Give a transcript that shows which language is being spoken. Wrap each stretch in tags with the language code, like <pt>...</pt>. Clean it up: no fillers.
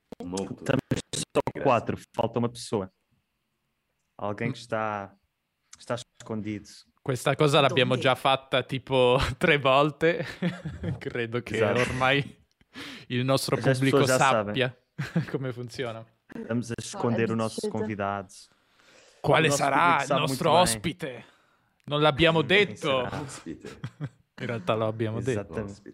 <pt>Estamos só quatro, falta uma pessoa. Alguém que está escondido.</pt> <it>Questa cosa l'abbiamo già fatta tipo tre volte. Credo che esatto. Ormai il nostro pubblico sappia come funziona.</it> <pt>Estamos a esconder o nostro convidado.</pt> <it>Quale sarà il nostro ospite? Non l'abbiamo detto. In realtà lo abbiamo detto.</it>